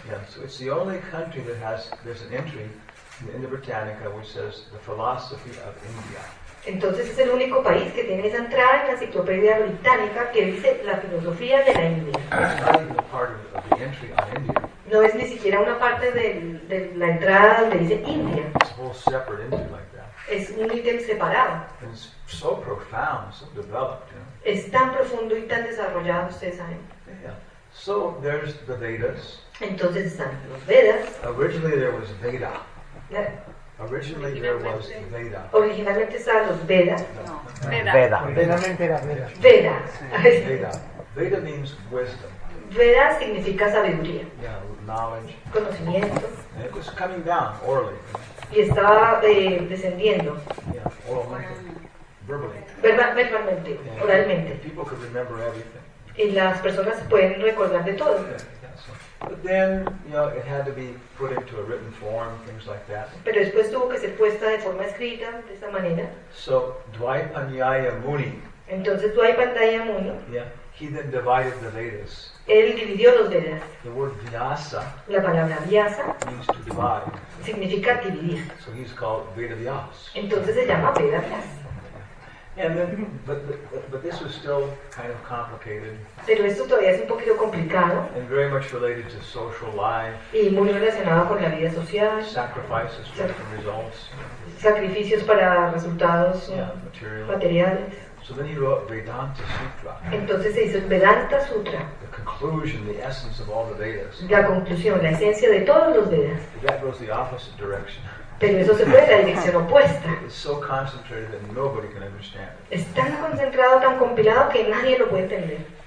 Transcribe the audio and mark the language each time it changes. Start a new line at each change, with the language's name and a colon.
English: Yeah, so it's the only country that has, there's an entry in the Britannica which says the philosophy of India.
Spanish: Entonces, es el único país que tiene esa entrada en la enciclopedia británica que dice la filosofía de la India.
English: It's not even a part of the entry on India.
Spanish: No es ni siquiera una parte de la entrada donde dice India.
English: It's a whole separate entry like that.
Spanish: Es un ítem separado.
English: It's so profound, so developed, you know?
Spanish: Es tan profundo y tan desarrollado, ustedes saben.
English: Yeah. So there's the Vedas.
Spanish: Entonces están los Vedas.
English: Originally there was Veda. Yeah. Originally there was Veda.
Spanish: Originalmente estaban los Vedas.
English: Veda.
Spanish: Originalmente era Veda.
English: Veda. Veda. Veda means wisdom.
Spanish: Veda significa sabiduría.
English: Yeah, knowledge.
Spanish: Conocimiento.
English: And it was coming down orally.
Spanish: Y estaba descendiendo.
English: Yeah,
Spanish: oralmente.
English: Verbally.
Spanish: Verbalmente. Yeah, oralmente.
English: People could remember everything.
Spanish: Y las personas pueden recordar de todo.
English: Yeah, yeah, so. But then, you know, it had to be put into a written form, things like that.
Spanish: Pero después tuvo que ser puesta de forma escrita, de esa manera.
English: So, Dvaipanyaya Muni.
Spanish: Entonces, Dvaipanyaya Muni.
English: Yeah. He then divided the Vedas.
Spanish: Él dividió los Vedas.
English: The word Vyasa.
Spanish: La palabra Vyasa.
English: Means to divide.
Spanish: Significa dividir.
English: So he's called Veda Vyas.
Spanish: Entonces se llama Veda Vyas.
English: And then, but this was still kind of complicated.
Spanish: Pero esto todavía es un poquito complicado.
English: And very much related to social life.
Spanish: Y muy relacionado con la vida social.
English: Sacrifices for different results.
Spanish: Sacrificios para resultados.
English: Yeah, material.
Spanish: Materiales.
English: So then he wrote Vedanta Sutra.
Spanish: Entonces se hizo Vedanta Sutra.
English: The conclusion, the essence of all the Vedas.
Spanish: La conclusión, la esencia de todos los Vedas.
English: That goes the opposite direction.
Spanish: Pero eso se fue en la dirección opuesta.
English: It's so concentrated that nobody can understand it.
Spanish: Es tan concentrado, tan compilado que nadie lo puede entender.